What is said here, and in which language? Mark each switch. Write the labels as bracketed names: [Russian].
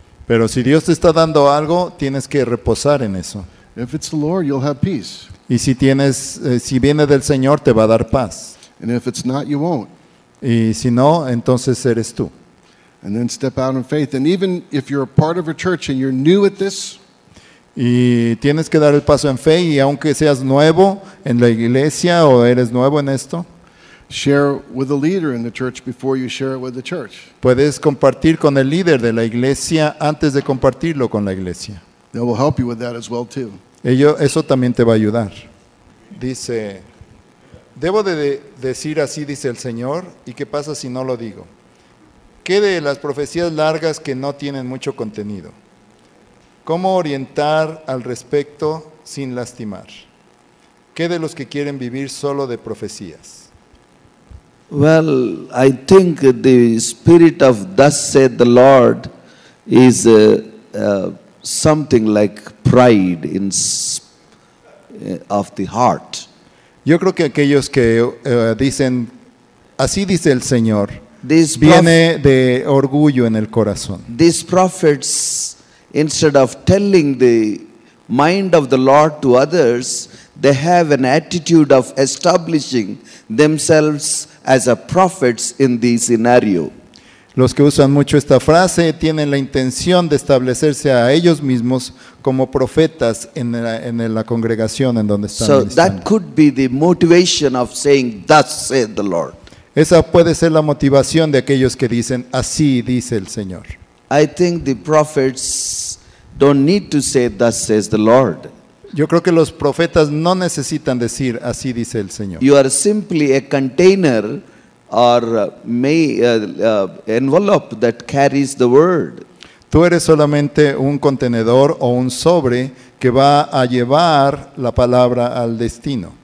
[Spanish] Pero si Dios te está dando algo, tienes que reposar en eso. [English] If it's the Lord, you'll have peace. [Spanish] Y si tienes, si viene del Señor, te va a dar paz. [English] And if it's not, you won't. [Spanish] Y si no, entonces eres tú. [English] And then step out in faith. And even if you're a part of a church and you're new at this, [Spanish] y tienes que dar el paso en fe, y aunque seas nuevo en la iglesia o eres nuevo en esto, [English] share with the leader in the church before you share it with the church. [Spanish] Puedes compartir con el líder de la iglesia antes de compartirlo con la iglesia. [English] They will help you with that as well too. [Spanish] Ello, eso también te va a ayudar. Dice, debo de decir así, dice el Señor, ¿y qué pasa si no lo digo? ¿Qué de las profecías largas que no tienen mucho contenido? ¿Cómo orientar al respecto sin lastimar? ¿Qué de los que quieren vivir solo de profecías? [English] Well, I think the spirit of thus said the Lord is something like pride in of the heart. [Spanish] Yo creo que aquellos que dicen así dice el Señor, viene de orgullo en el corazón. [English] These prophets, instead of telling the mind of the Lord to others, they have an attitude of establishing themselves as a prophets in the scenario. [Spanish] Los que usan mucho esta frase tienen la intención de establecerse a ellos mismos como profetas en la congregación en donde están. [English] So that could be the motivation of saying, "Thus said the Lord." [Spanish] Esa puede ser la motivación de aquellos que dicen, así dice el Señor. [English] I think the prophets don't need to say, thus says the Lord. [Spanish] Yo creo que los profetas no necesitan decir, así dice el Señor. [English] You are simply a container or may envelope that carries the word. [Spanish] Tú eres solamente un contenedor o un sobre que va a llevar la palabra al destino.